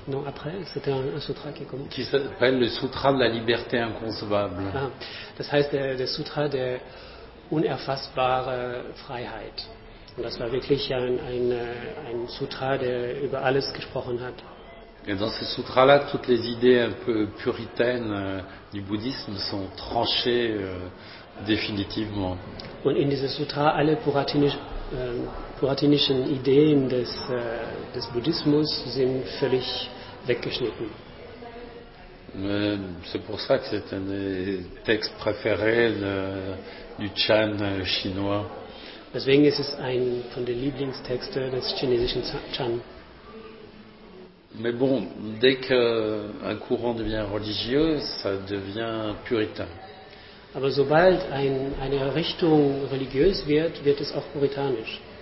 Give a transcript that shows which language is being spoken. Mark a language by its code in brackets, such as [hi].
[fr] Non, après, c'était un sutra qui est comment? Qui s'appelle le sutra de la liberté inconcevable. [de] Ah, das heißt der Sutra der unerfassbare Freiheit. Und das war wirklich ein Sutra, der über alles gesprochen hat. [fr] Et dans ce sutra-là, toutes les idées un peu puritaines du bouddhisme sont tranchées définitivement. [de] Und in diesem Sutra alle puritanischen Ideen des Buddhismus sind völlig weggeschnitten. [fr] C'est pour ça que c'est un des textes préférés du Chan chinois. [de] Deswegen ist es ein von den Lieblingstexten des chinesischen Chan. [fr] Mais bon, dès qu'un courant devient religieux, ça devient puritain. [de] Aber sobald eine Richtung religiös wird, wird es auch puritanisch.